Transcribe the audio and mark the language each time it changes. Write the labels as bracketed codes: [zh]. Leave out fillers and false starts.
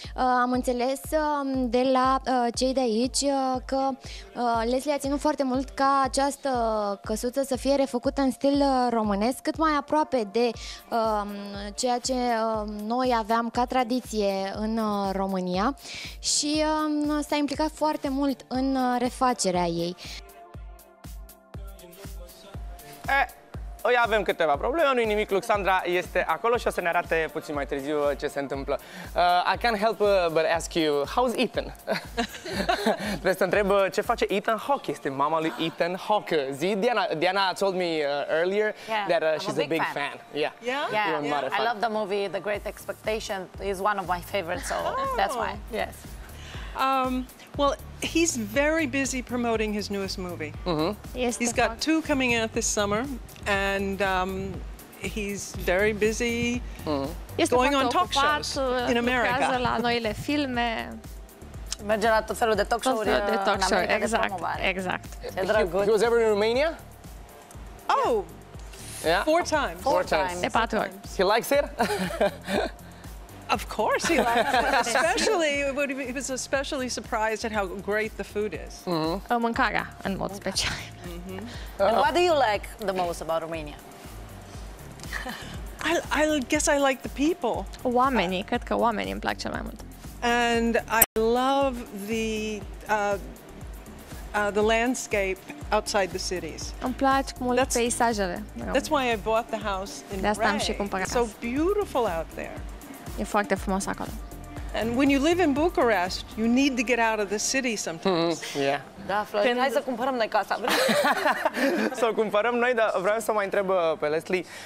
[ro] Am înțeles de la cei de aici că Leslie a ținut foarte mult ca această căsuță să fie refăcută în stil românesc, cât mai aproape de ceea ce noi aveam ca tradiție în România și s-a implicat foarte mult în refacerea ei. Oi, avem câteva probleme, nu-i nimic, Luxandra este acolo și o să ne arate puțin mai târziu ce se întâmplă. [en] I can't help but ask you, how's Ethan? [ro] Trebuie să întreb ce face Ethan Hawke, este mama lui Ethan Hawke. [en] Zi, Diana told me earlier that she's a big fan. I love the movie, The Great Expectation is one of my favorites, so that's why. Yes. Well, he's very busy promoting his newest movie. Mm-hmm. He's got two coming out this summer, and he's very busy. Este going on talk shows in America. [ro] Lucrează la noile filme. Merge la tot felul de talk show-uri. De talk show, exact, de exact. E drăguț. [en] He was ever in Romania? Oh. Yeah. Four times. [ro] De patru ori. [en] He likes it? Of course he likes it. Especially he was especially surprised at how great the food is. [ro] Mm-hmm. O mâncarea, în mod special. Mm-hmm. [en] And what do you like the most about Romania? I guess I like the people. [ro] Oamenii, cred că oamenii îmi plac cel mai mult. [en] And I love the landscape outside the cities. [ro] Îmi place mult peisajele. [en] That's why I bought the house in Ray. [ro] De asta am și cumpărat casa. [en] So beautiful out there. [ro] E foarte frumos acolo. [en] And when you live in Bucharest, you need to get out of the city sometimes. Mm-hmm. Yeah. [ro] Da, Florin, hai să cumpărăm noi casa. Să o cumpărăm noi, dar vreau să mai întreb pe Leslie.